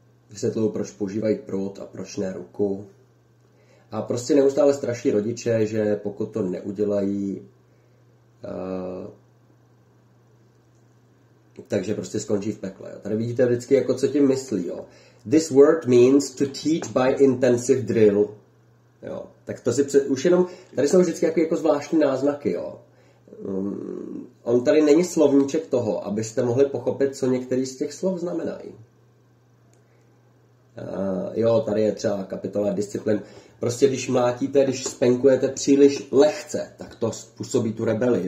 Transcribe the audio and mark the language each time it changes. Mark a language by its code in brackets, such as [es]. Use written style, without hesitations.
[cs] Vysvětluju, proč používají prut a proč ne ruku. A prostě neustále straší rodiče, že pokud to neudělají, takže prostě skončí v pekle. Jo. Tady vidíte vždycky, jako co tím myslí. Jo. [en] This word means to teach by intensive drill. [cs] Jo. Tak to si už jenom, tady jsou vždycky jako zvláštní náznaky. Jo. On tady není slovníček toho, abyste mohli pochopit, co některý z těch slov znamenají. Jo, tady je třeba kapitola disciplin. Prostě když mlátíte, když spenkujete příliš lehce, tak to způsobí tu rebelii.